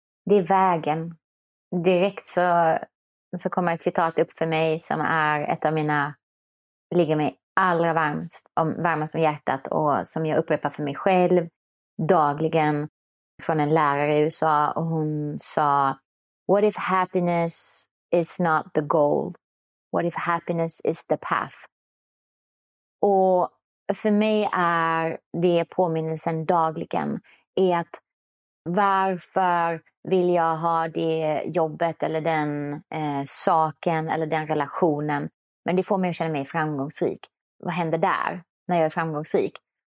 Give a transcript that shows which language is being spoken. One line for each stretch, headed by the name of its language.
Swedish: Det är vägen. Direkt så kommer ett citat upp för mig som är ett av mina, ligger mig allra varmast om hjärtat och som jag upprepar för mig själv dagligen från en lärare i USA. Och hon sa,
English: what if happiness is not the goal? What if happiness is the path?
Swedish: Och för mig är det påminnelsen dagligen är att varför vill jag ha det jobbet eller den saken eller den relationen? Men det får mig att känna mig framgångsrik. Vad händer där när jag är framgångsrik?